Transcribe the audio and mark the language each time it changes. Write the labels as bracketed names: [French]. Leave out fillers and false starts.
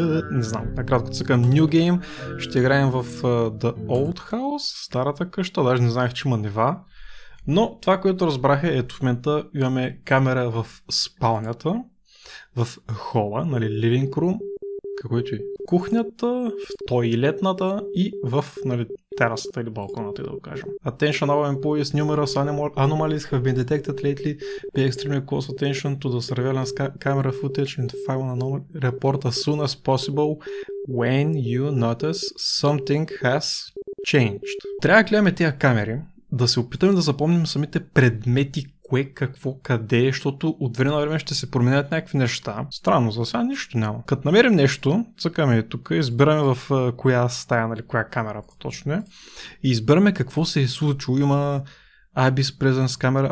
[Bulgarian] Не знам, накратко цъкам New Game. Ще играем в The Old House, старата къща, даже не знаех, че има нива. Но това, което разбрах е, ето в момента имаме камера в спалнята, в хола, нали, [English] living room, [Bulgarian] каквото и кухнята, в тойлетната и в, нали, терасата или балконата, да го кажем. [English] Attention our employees, numerous anomalies have been detected lately. Pay extremely close attention to the surveillance camera footage and file an anomaly report as soon as possible when you notice something has changed. [Bulgarian] Трябва да гледаме тия камери, да се опитаме да запомним самите предмети, кое, какво, къде, защото от време на време ще се променят някакви неща. Странно, за сега нищо няма. Като намерим нещо, цъкаме и тук, избираме в коя стая, нали, коя камера по-точно е. И избираме какво се е случило. Има Abyss Presence камера.